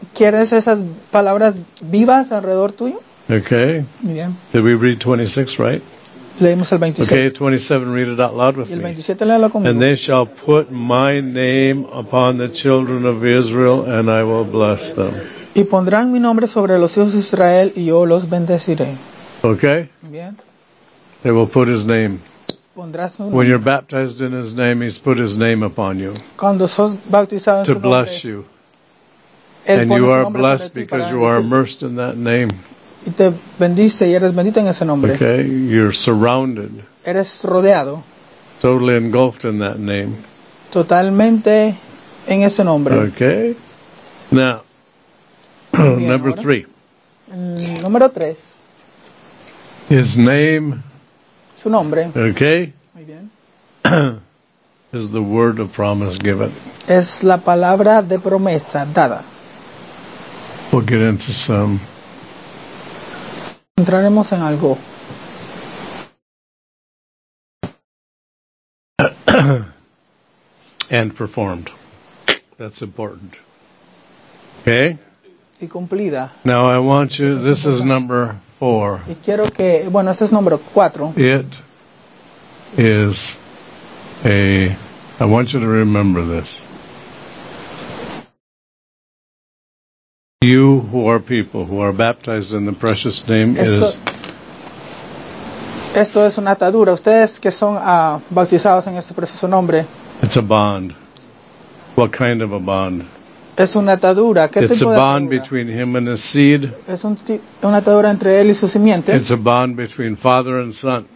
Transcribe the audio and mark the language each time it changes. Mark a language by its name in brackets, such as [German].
[Spanish] ¿Quieres esas palabras vivas alrededor tuyo? [English] Okay. [Spanish] Bien. [English] Did we read 26, right? [Spanish] Leemos el 27. [English] Okay, 27, read it out loud with [Spanish] me. El 27, léalo conmigo. [English] And they shall put my name upon the children of Israel, and I will bless them. [Spanish] Y pondrán mi nombre sobre los hijos de Israel, y yo los bendeciré. [English] Okay? [Spanish] Bien. [English] They will put his name. [Spanish] Pondrás su [English] nombre. When you're baptized in his name, he's put his name upon you. [Spanish] Cuando sos bautizado en su nombre. [English] To bless you. And you are blessed because you are immersed in that name. [Spanish] Y te bendice y eres bendito en ese nombre. [English] Okay, you're surrounded. [Spanish] Eres rodeado. [English] Totally engulfed in that name. [Spanish] Totalmente en ese nombre. [English] Okay. Now, number three. [Spanish] Número tres. [English] His name. [Spanish] Su nombre. [English] Okay. [Spanish] Muy bien. [English] Is the word of promise given. [Spanish] Es la palabra de promesa dada. [English] We'll get into some. [Spanish] Entraremos en algo. [English] And performed. That's important. Okay? [Spanish] Y cumplida. [English] Now I want you, this is number four. [Spanish] Y quiero que, bueno, este es número cuatro. [English] It is a, I want you to remember this. You who are people who are baptized in the precious name is. [Spanish] Esto es una atadura. Ustedes que son bautizados en este precioso nombre. [English] It's a bond. What kind of a bond? [Spanish] Es una atadura. ¿Qué [English] it's [Spanish] tipo de [English] a bond atadura? Between him and his seed. [Spanish] Es una atadura entre él y su simiente. [English] It's a bond between father and son.